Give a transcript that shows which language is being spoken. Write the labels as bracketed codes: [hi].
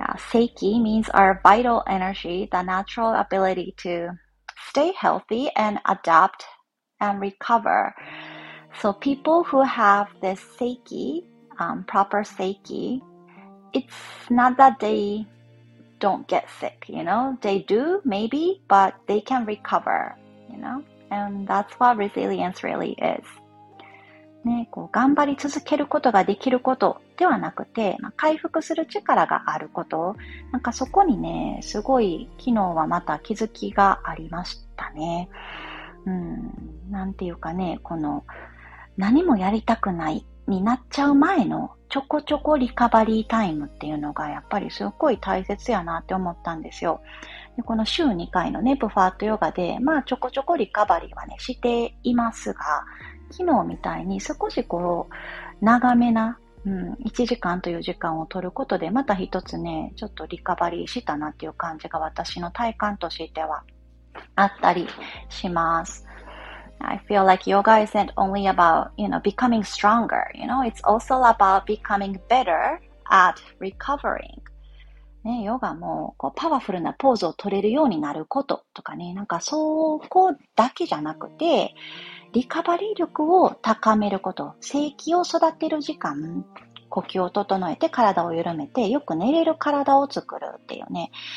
[en] Seiki means our vital energy, the natural ability to stay healthy and adapt and recover. So people who have this Seiki, proper Seiki, it's not that they don't get sick, you know? They do, maybe, but they can recover, you know? And that's what resilience really is. [ja] ね、こう頑張り続けることができることではなくて、まあ、回復する力があること、なんかそこにね、すごい昨日はまた気づきがありましたね。なんていうかね、この何もやりたくないになっちゃう前のちょこちょこリカバリータイムっていうのがやっぱりすごい大切やなって思ったんですよ。でこの週2回のね、プファートヨガで、まあちょこちょこリカバリーはね、していますが、昨日みたいに少しこう長めな、1時間という時間を取ることでまた一つねちょっとリカバリーしたなっていう感じが私の体感としてはあったりします。 [en] I feel like yoga isn't only about, you know, becoming stronger, you know, it's also about becoming better at recovering. [ja] ね、ヨガもこうパワフルなポーズを取れるようになることとかね、なんかそこだけじゃなくてリカバリー力を高めること、正気を育てる時間、呼吸を整えて体を緩めて、よく寝れる体を作るっていうね。